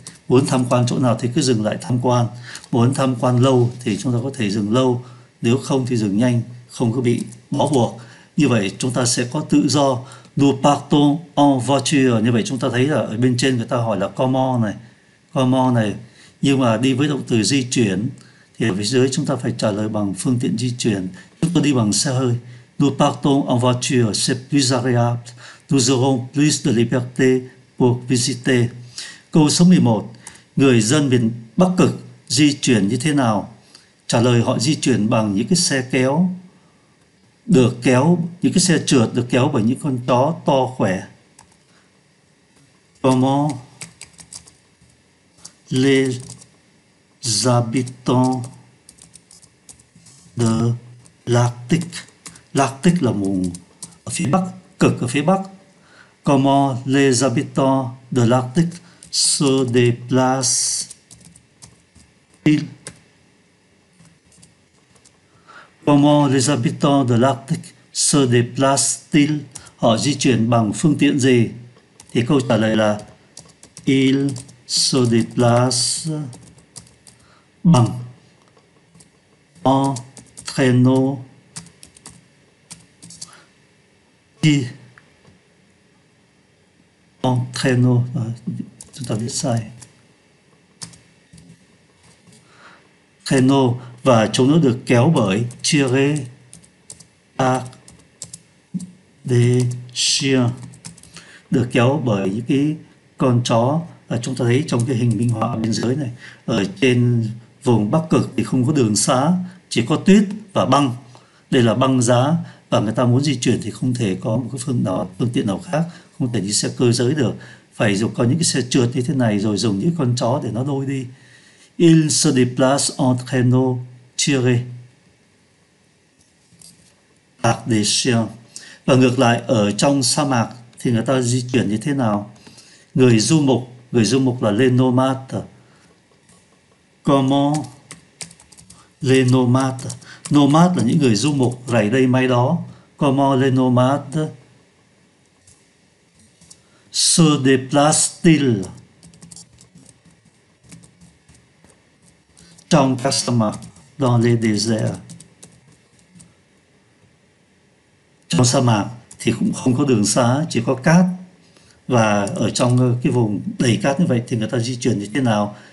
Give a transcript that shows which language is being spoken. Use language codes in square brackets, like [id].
[vi] Muốn tham quan chỗ nào thì cứ dừng lại tham quan. Muốn tham quan lâu thì chúng ta có thể dừng lâu. Nếu không thì dừng nhanh, không có bị bó buộc. Như vậy chúng ta sẽ có tự do. [fr] Nous partons en voiture. [vi] Như vậy chúng ta thấy là ở bên trên người ta hỏi là comment này. Comment này. Nhưng mà đi với động từ di chuyển thì ở phía dưới chúng ta phải trả lời bằng phương tiện di chuyển. Chúng ta đi bằng xe hơi. [fr] Nous partons en voiture, c'est plus agréable. Nous aurons plus de liberté pour visiter. [vi] Câu số 11. Người dân miền Bắc Cực di chuyển như thế nào? Trả lời họ di chuyển bằng những cái xe kéo được kéo, những cái xe trượt được kéo bởi những con chó to khỏe. [fr] Comment les habitants de l'Arctique? [vi] L'Arctique là vùng ở phía Bắc, cực ở phía Bắc. [fr] Comment les habitants de l'Arctique se déplacent? Comment les habitants de l'Arctique se déplacent-ils? [vi] Họ di chuyển bằng phương tiện gì? Thì câu trả lời là [fr] ils se déplacent [vi] bằng en traîneau. En traîneau, chúng ta viết sai. Traîneau và chúng nó được kéo bởi tiré par des chiens, được kéo bởi những cái con chó. Và chúng ta thấy trong cái hình minh họa bên dưới này, ở trên vùng Bắc Cực thì không có đường xá, chỉ có tuyết và băng. Đây là băng giá và người ta muốn di chuyển thì không thể có một cái phương tiện nào khác, không thể đi xe cơ giới được, phải dùng có những cái xe trượt như thế này rồi dùng những con chó để nó lôi đi. [fr] Il se déplace en traîneau tiré par des chiens. [vi] Và ngược lại ở trong sa mạc thì người ta di chuyển như thế nào? Người du mục là les nomades. [fr] Comment les nomades? [vi] Nomad là những người du mục rày đây mai đó. [fr] Comment les nomades se déplacent-ils [vi] trong các sa mạc, [fr] dans les déserts? [vi] Trong sa mạc thì cũng không có đường xá, chỉ có cát. Và ở trong cái vùng đầy cát như vậy thì người ta di chuyển như thế nào?